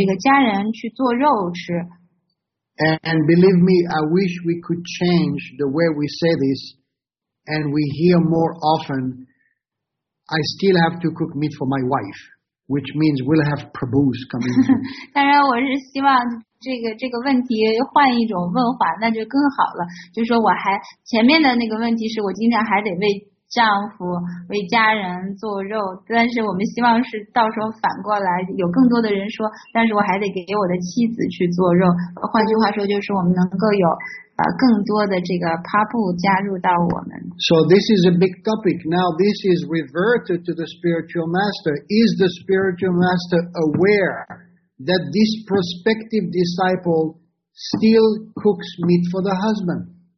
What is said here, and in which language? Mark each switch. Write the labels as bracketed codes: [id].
[zh] 那这个可能还会涉及到一个另外的一个话题，这个可能要专门去花时间去讨论。就是有一些奉献者呢，他也是念诵16圈，然后遵循4个规范原则，也跟奉献者联谊、供奉食物这些阅读经典都做得很好，但是他的这个家庭的这个状况就让他不得不为自己的这个家人去做肉吃。 [en] And believe me, I wish we could change the way we say this and we hear more often, I still have to cook meat for my wife, which means we'll have Prabhus coming in. [zh] 当然我是希望这个问题换一种问法，那就更好了。就是说我还前面的那个问题是我经常还得为丈夫为家人做肉，但是我们希望是到时候反过来，有更多的人说，但是我还得给我的妻子去做肉。换句话说，就是我们能够有更多的这个Prabhu加入到我们。 [en] So this is a big topic. Now this is reverted to the spiritual master. Is the spiritual master aware that this prospective disciple still cooks meat for the husband?